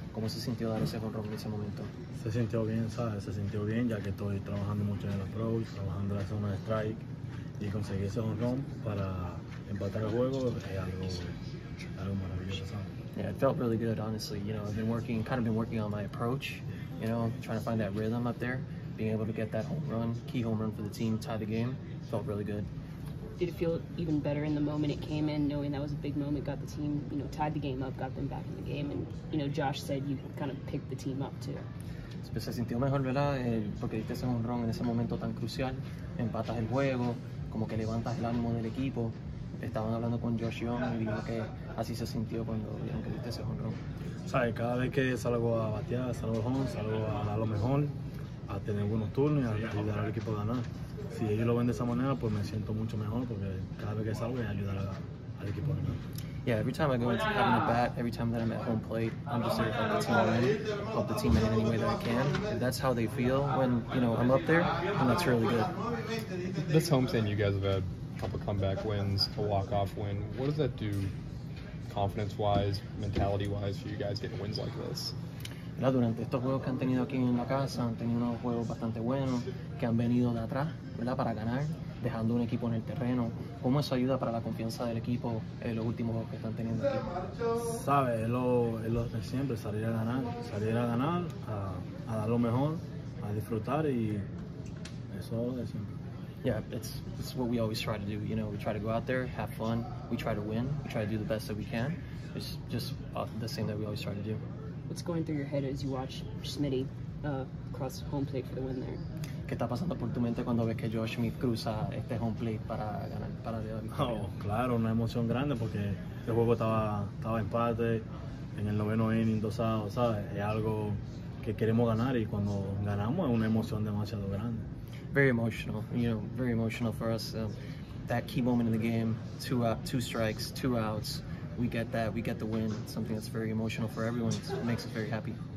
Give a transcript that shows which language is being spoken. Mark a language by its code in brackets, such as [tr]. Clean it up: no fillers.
[es] ¿Cómo se sintió dar ese jonrón en ese momento? Se sintió bien, ¿sabes? Se sintió bien, ya que estoy trabajando mucho en el approach, trabajando en la zona de strike, y conseguir ese jonrón para empatar el juego es algo maravilloso, ¿sabes? [en] Yeah, it felt really good, honestly. You know, I've been working, kind of been working on my approach, you know, trying to find that rhythm up there, being able to get that home run, key home run for the team, tie the game, felt really good. Did it feel even better in the moment it came in, knowing that was a big moment, got the team, you know, tied the game up, got them back in the game, and, you know, Josh said you kind of picked the team up too. [es] Se sintió mejor, ¿verdad? Porque diste ese home run en ese momento tan crucial, empatas el juego, como que levantas el ánimo del equipo. Estaban hablando con Josh Young y dijo que así se sintió cuando vieron que diste ese home run. ¿Sabes? Cada vez que salgo a batear, salgo al home, salgo a dar lo mejor, a tener buenos turnos y a ayudar al equipo a ganar. Si ellos lo ven de esa manera, pues me siento mucho mejor porque cada vez que salgo es ayudar al equipo a ganar. [en] Yeah, every time I go into having a bat, every time that I'm at home plate, I'm just there to help the team win, help the team in any way that I can. If that's how they feel when, you know, I'm up there, and that's really good. This homestand, you guys have had a couple comeback wins, a walk-off win. What does that do confidence-wise, mentality-wise, for you guys getting wins like this? [es] Durante estos juegos que han tenido aquí en la casa, han tenido unos juegos bastante buenos, que han venido de atrás, ¿verdad?, para ganar, dejando un equipo en el terreno. ¿Cómo eso ayuda para la confianza del equipo en los últimos juegos que están teniendo aquí? Sabes, es lo de siempre, salir a ganar, a dar lo mejor, a disfrutar, y eso es siempre. [en] Yeah, it's what we always try to do. You know, we try to go out there, have fun, we try to win, we try to do the best that we can. It's just the same that we always try to do. What's going through your head as you watch Schmitty cross home plate for the win there? [es] ¿Qué está pasando por tu mente cuando ves que Josh Smith cruza este home plate para ganar, para la victoria? Oh, claro, una emoción grande porque el juego estaba empate en el noveno inning, 2-0, ¿sabes? Es algo que queremos ganar y cuando ganamos es una emoción demasiado grande. [en] Very emotional, you know, very emotional for us. That key moment in the game, two strikes, two outs. We get the win, something that's very emotional for everyone. It makes us very happy.